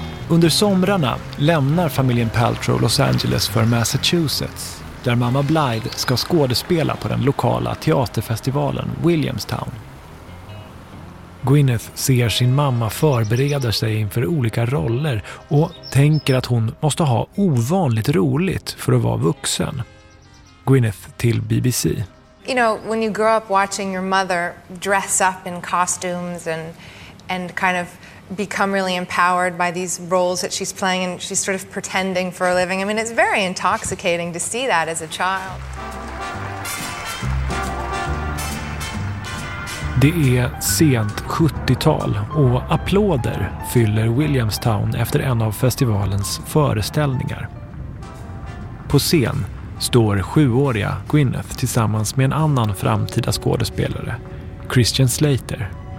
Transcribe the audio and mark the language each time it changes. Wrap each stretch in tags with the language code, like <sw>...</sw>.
<sv>Under somrarna lämnar familjen Paltrow Los Angeles för Massachusetts, där mamma Blythe ska skådespela på den lokala teaterfestivalen Williamstown. Gwyneth ser sin mamma förbereda sig inför olika roller och tänker att hon måste ha ovanligt roligt för att vara vuxen. Gwyneth till BBC.</sv> <en>You know, when you grow up watching your mother dress up in costumes and kind of become really empowered by these roles that she's playing and she's sort of pretending for a living. I mean, it's very intoxicating to see that as a child.</en> <sv>Det är sent 70-tal och applåder fyller Williamstown efter en av festivalens föreställningar. På scen står sjuåriga Gwyneth tillsammans med en annan framtida skådespelare, Christian Slater.</sv>